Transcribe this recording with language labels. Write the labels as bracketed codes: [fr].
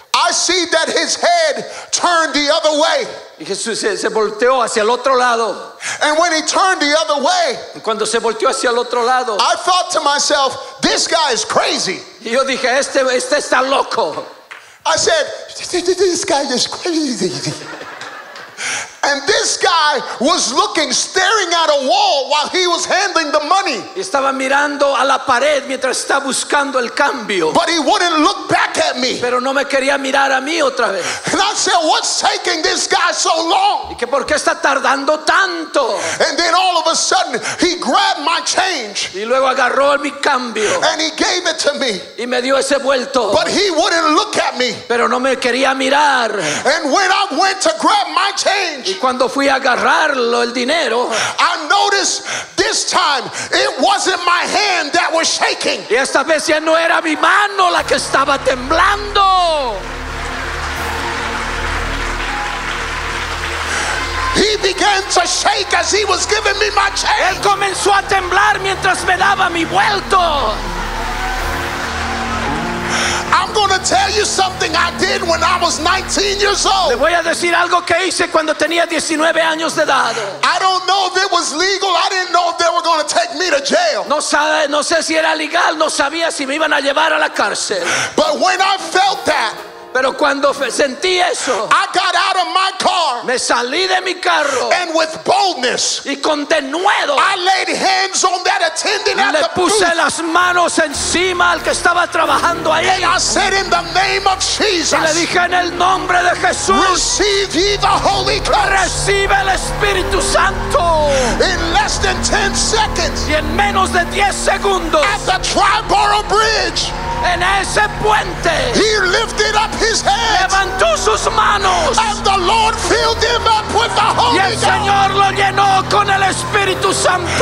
[en] I see that his head turned the other way. [es] Y Jesús se volteó hacia el otro lado. [en] And when he turned the other way, [es] cuando se volteó hacia el otro lado, [en] I thought to myself, "This guy is crazy." [es] Y yo dije, este está loco. [en] I said, "This guy is crazy." And this guy was looking, staring at a wall while he was handling the money. [es] Estaba mirando a la pared mientras estaba buscando el cambio. [en] But he wouldn't look back at me. [es] Pero no me quería mirar a mí otra vez. [en] And I said, "What's taking this guy so long?" [es] ¿Y que por qué está tardando tanto? [en] And then all of a sudden, he grabbed my change. [es] Y luego agarró mi cambio. [en] And he gave it to me. [es] Y me dio ese vuelto. [en] But he wouldn't look at me. [es] Pero no me quería mirar. [en] And when I went to grab my change. [es] Y cuando fui a agarrarlo el dinero, [en] I noticed this time it wasn't my hand that was shaking. [es] Y esta vez ya no era mi mano la que estaba temblando. [en] He began to shake as he was giving me my change. [es] Él comenzó a temblar mientras me daba mi vuelto. [en] I'm going to tell you something I did when I was 19 years old. [es] Le voy a decir algo que hice cuando tenía 19 años de edad. [en] I don't know if it was legal. I didn't know if they were going to take me to jail. [es] No sé si era legal. No sabía si me iban a llevar a la cárcel. [en] But when I felt that, [es] pero cuando sentí eso, [en] I got out of my car. [es] Me salí de mi carro. [en] And with boldness, [es] y con denuedo, [en] I laid hands on that attendant at the booth. [es] Le puse las manos encima al que estaba trabajando ahí. [en] And I said, "In the name of Jesus." [es] Y le dije, en el nombre de Jesús, [en] "Receive ye the Holy Ghost." [es] Recibe el Espíritu Santo. [en] In less than 10 seconds, [es] y en menos de 10 segundos, [en] at the Triborough Bridge, [es] en ese puente, [en] he lifted up his head. [es] Levantó sus manos. [en] And the Lord filled him up with the Holy Ghost. [es] Y el Señor lo llenó con el Espíritu Santo.